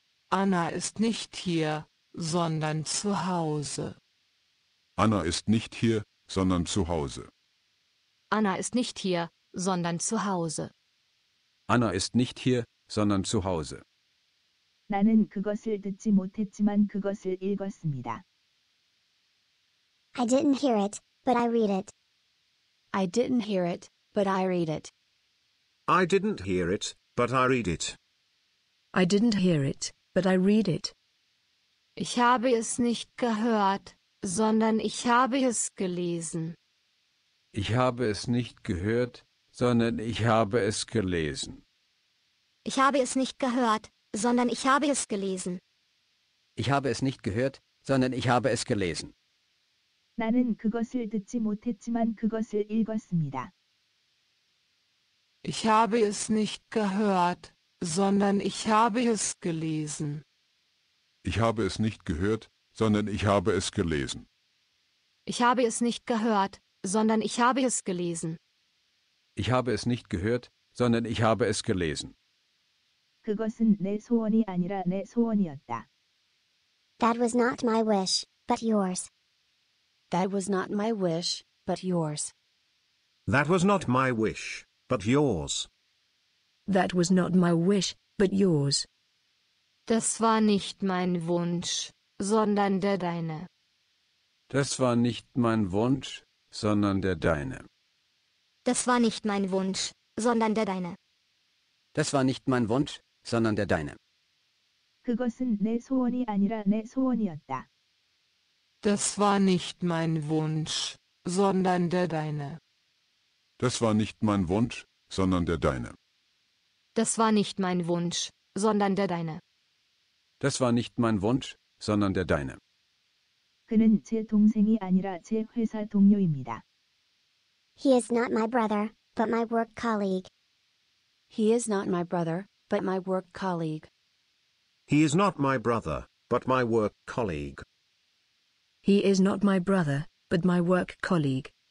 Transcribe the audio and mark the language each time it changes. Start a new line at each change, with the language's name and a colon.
German: Anna ist nicht hier, sondern zu Hause. Anna ist nicht hier, sondern zu Hause. Anna ist nicht hier, sondern zu Hause. Anna ist nicht hier, sondern zu Hause.
Korean: 나는 그것을 듣지 못했지만 그것을 읽었습니다.
English: I didn't hear it, but I read it. I didn't hear it, but I read it. I didn't hear it, but I read it. I didn't hear it, but I read it.
German: Ich habe es nicht gehört, sondern ich habe es gelesen. Ich habe es nicht gehört, sondern ich habe es gelesen. Ich habe es nicht gehört, sondern ich habe es gelesen. Ich habe es nicht gehört, sondern ich habe es gelesen.
Korean: 나는 그것을 듣지 못했지만 그것을 읽었습니다.
German: Ich habe es nicht gehört, sondern ich habe es gelesen. Ich habe es nicht gehört, sondern ich habe es gelesen. Ich habe es nicht gehört, sondern ich habe es gelesen. Ich habe es nicht gehört, sondern ich habe es gelesen.
Korean: 그것은 내 소원이 아니라 내 소원이었다.
English: That was not my wish, but yours. That was not my wish, but yours. That was not my wish, but yours. That was not my wish, but yours.
German: Das war nicht mein Wunsch, sondern der deine. Das war nicht mein Wunsch, sondern der deine. Das war nicht mein Wunsch, sondern der deine. Das war nicht mein Wunsch, sondern der deine.
Korean: 그것은 내 소원이 아니라 내 소원이었다.
German: Das war nicht mein Wunsch, sondern der deine. Das war nicht mein Wunsch, sondern der deine. Das war nicht mein Wunsch, sondern der deine. Das war nicht mein Wunsch, sondern der deine.
Korean: 그는 제 동생이 아니라 제 회사 동료입니다.
English: He is not my brother, but my work colleague. He is not my brother, but my work colleague. He is not my brother, but my work colleague. He is not my brother, but my work colleague.